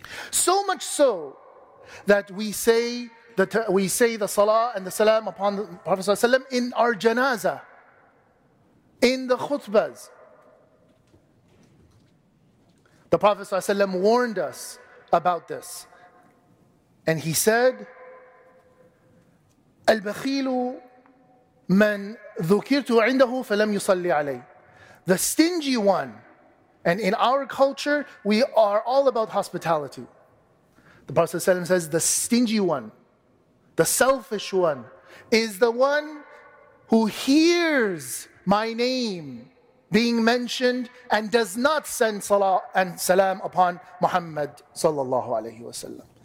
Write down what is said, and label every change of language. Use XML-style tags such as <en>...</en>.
<en>So much so that we say the salah and the salam upon the Prophet sallallahu alayhi wa sallam in our janazah, in the khutbahs. The Prophet sallallahu alayhi wa sallam warned us about this. And he said,</en> <ar>Al-bakhilu من ذكرته عنده فلم يصلي عليه.</ar> <en>The stingy one. And in our culture, we are all about hospitality. The Prophet ﷺ says, the stingy one, the selfish one, is the one who hears my name being mentioned and does not send salah and salam upon Muhammad sallallahu alayhi wa sallam.</en>